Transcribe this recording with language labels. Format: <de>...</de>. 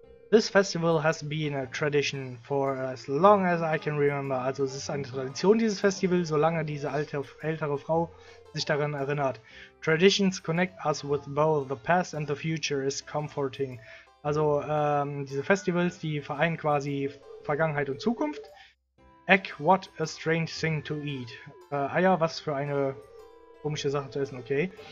<en>This festival has been a tradition for as long as I can remember.</en> <de>Also, es ist eine Tradition, dieses Festival, solange diese alte, ältere Frau sich daran erinnert.</de> <en>Traditions connect us with both the past and the future is comforting.</en> <de>Also diese Festivals, die vereinen quasi Vergangenheit und Zukunft.</de> <en>Egg, what a strange thing to eat.</en> <de>Eier, was für eine komische Sache zu essen, okay.</de>